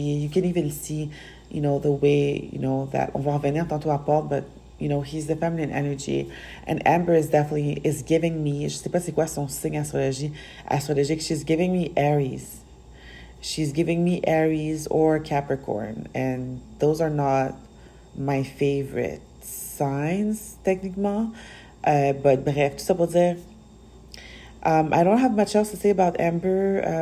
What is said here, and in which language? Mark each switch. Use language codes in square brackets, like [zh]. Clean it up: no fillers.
[en] You can even see, the way, that [fr] on va revenir tantôt à Paul, [en] but he's the feminine energy, and Amber is giving me. [fr] Je sais pas c'est quoi son signe astrologique. [en] She's giving me Aries. She's giving me Aries or Capricorn, and those are not my favorite signs, techniquement. But bref, [fr] tout ça pour dire. [en] I don't have much else to say about Amber.